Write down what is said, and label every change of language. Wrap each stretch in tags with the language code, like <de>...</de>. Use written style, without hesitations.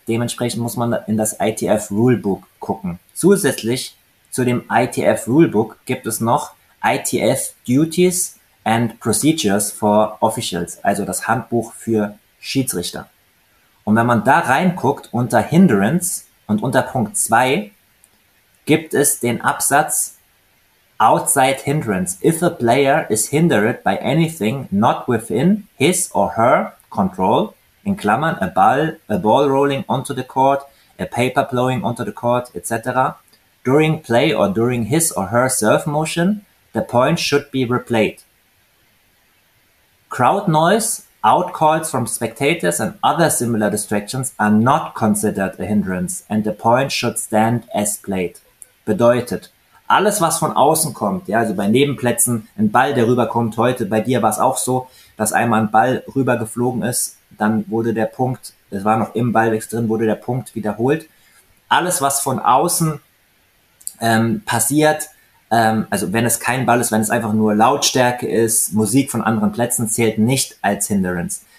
<de>Dementsprechend muss man in das ITF-Rulebook gucken. Zusätzlich zu dem ITF-Rulebook gibt es noch ITF-Duties and Procedures for Officials, also das Handbuch für Schiedsrichter. Und wenn man da reinguckt unter Hindrance und unter Punkt 2, gibt es den Absatz Outside hindrance.</de> <en>If a player is hindered by anything not within his or her control,</en> <de>in Klammern,</de> <en>a ball rolling onto the court, a paper blowing onto the court, etc., during play or during his or her serve motion, the point should be replayed. Crowd noise, outcalls from spectators and other similar distractions are not considered a hindrance and the point should stand as played.</en> <de>Bedeutet, alles, was von außen kommt, ja, also bei Nebenplätzen, ein Ball, der rüberkommt, heute bei dir war es auch so, dass einmal ein Ball rübergeflogen ist, dann wurde der Punkt, es war noch im Ballwechsel drin, wurde der Punkt wiederholt. Alles, was von außen passiert, also wenn es kein Ball ist, wenn es einfach nur Lautstärke ist, Musik von anderen Plätzen, zählt nicht als Hindernis.</de>